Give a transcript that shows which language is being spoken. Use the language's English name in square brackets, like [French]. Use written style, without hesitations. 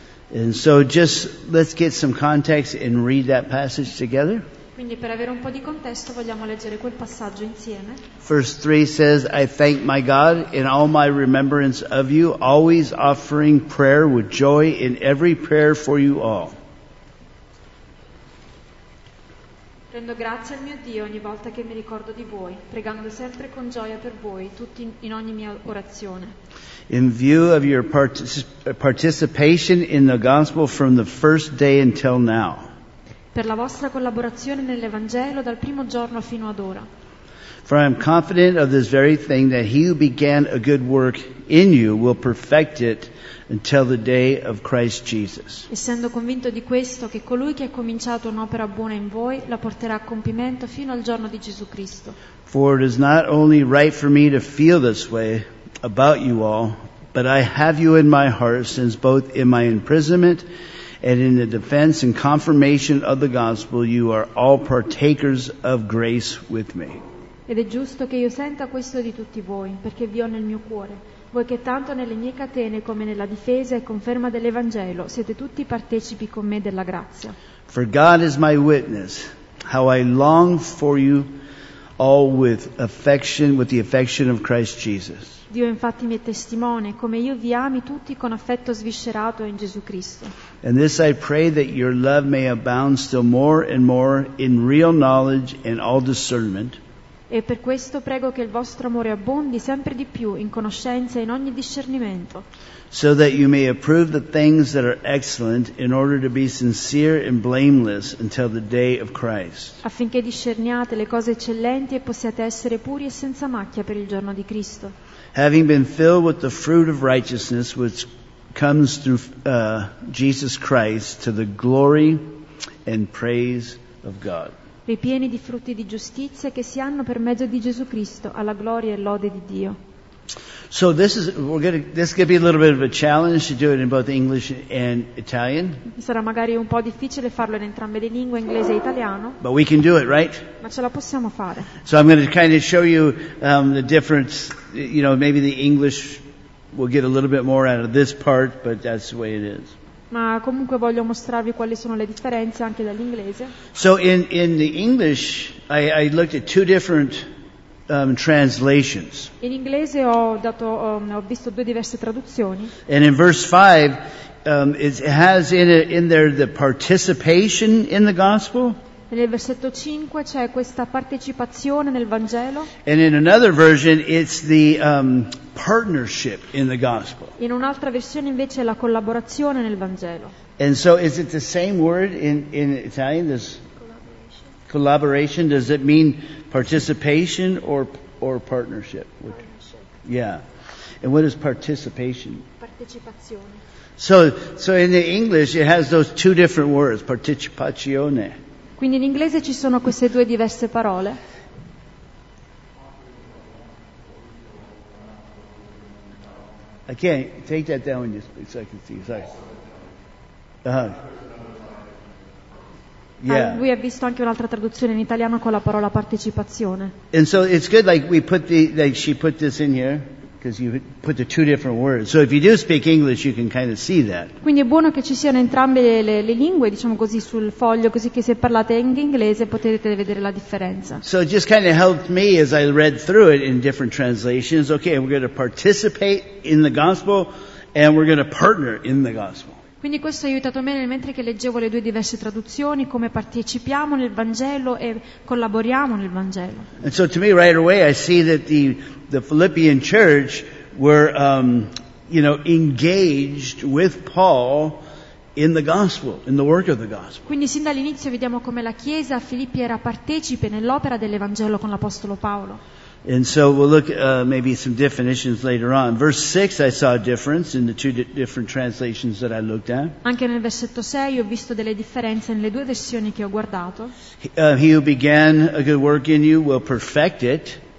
[English] And so, just let's get some context and read that passage together. [Italian] Quindi, per avere un po' di contesto, vogliamo leggere quel passaggio insieme. [English] Verse 3 says, I thank my God in all my remembrance of you, always offering prayer with joy in every prayer for you all. [Italian] Rendo grazie al mio Dio ogni volta che mi ricordo di voi, pregando sempre con gioia per voi, tutti in ogni mia orazione. [English] In view of your participation in the gospel from the first day until now. [Italian] Per la vostra collaborazione nell'Evangelo dal primo giorno fino ad ora. [English] For I am confident of this very thing, that he who began a good work in you will perfect it until the day of Christ Jesus. [Italian] Essendo convinto di questo, che colui che ha cominciato un'opera buona in voi la porterà a compimento fino al giorno di Gesù Cristo. [English] For it is not only right for me to feel this way about you all, but I have you in my heart, since both in my imprisonment and in the defense and confirmation of the gospel you are all partakers of grace with me. [Italian] Ed è giusto che io senta questo di tutti voi, perché vi ho nel mio cuore, voi che tanto nelle mie catene come nella difesa e conferma dell'Evangelo siete tutti partecipi con me della grazia. [English] For God is my witness, how I long for you all with affection, with the affection of Christ Jesus. [Italian] Dio infatti mi è testimone come io vi ami tutti con affetto sviscerato in Gesù Cristo. [English] And this I pray that your love may abound still more and more in real knowledge and all discernment. [Italian] E per questo prego che il vostro amore abbondi sempre di più in conoscenza e in ogni discernimento. [English] So that you may approve the things that are excellent in order to be sincere and blameless until the day of Christ. [Italian] Affinché discerniate le cose eccellenti e possiate essere puri e senza macchia per il giorno di Cristo. [English] Having been filled with the fruit of righteousness which comes through Jesus Christ to the glory and praise of God. [Italian] Ripieni di frutti di giustizia che si hanno per mezzo di Gesù Cristo alla gloria e lode di Dio. [English] So this could be a little bit of a challenge to do it in both English and Italian. [Italian] Sarà magari un po' difficile farlo in entrambe le lingue, inglese e italiano. [English] But we can do it, right? [Italian] Ma ce la possiamo fare. [English] So I'm going to kind of show you the difference. You know, maybe the English will get a little bit more out of this part, but that's the way it is. [Italian] Ma comunque voglio mostrarvi quali sono le differenze anche dall'inglese. [English] So in the English I looked at two different translations. [Italian] In inglese ho visto due diverse traduzioni. [English] And in verse 5 it has in there the participation in the gospel. [Italian] E nel versetto 5 c'è questa partecipazione nel Vangelo. [English] And in another version it's the partnership in the gospel. [Italian] In un'altra versione invece è la collaborazione nel Vangelo. [English] And so is it the same word in Italian, this collaboration? Collaboration, does it mean participation or partnership? Partnership. Yeah. And what is participation? [Italian] Partecipazione. [English] So in the English it has those two different words, participazione. [Italian] Quindi in inglese ci sono queste due diverse parole. [English] I can't take that down just a second. See, sorry. [Italian] Lui ha visto anche un'altra traduzione in italiano con la parola partecipazione. [English] And so it's good, like we put the, like she put this in here, because you put the two different words. So if you do speak English, you can kind of see that. [Italian] Quindi è buono che ci siano entrambe le lingue, diciamo così, sul foglio, così che se parlate inglese potete vedere la differenza. [English] So it just kind of helped me as I read through it in different translations. Okay, we're going to participate in the gospel, and we're going to partner in the gospel. [Italian] Quindi questo ha aiutato me mentre che leggevo le due diverse traduzioni, come partecipiamo nel Vangelo e collaboriamo nel Vangelo. [English] And so to me right away I see that the Philippian church were engaged with Paul in the gospel, in the work of the gospel. [Italian] Quindi sin dall'inizio vediamo come la chiesa a Filippi era partecipe nell'opera dell'Evangelo con l'apostolo Paolo. [English] And so we'll look maybe some definitions later on. Verse 6 I saw a difference in the two different translations that I looked at. [Italian] Anche nel versetto 6 ho visto delle differenze nelle due versioni che ho guardato. [English] He who began a good work in you will perfect it.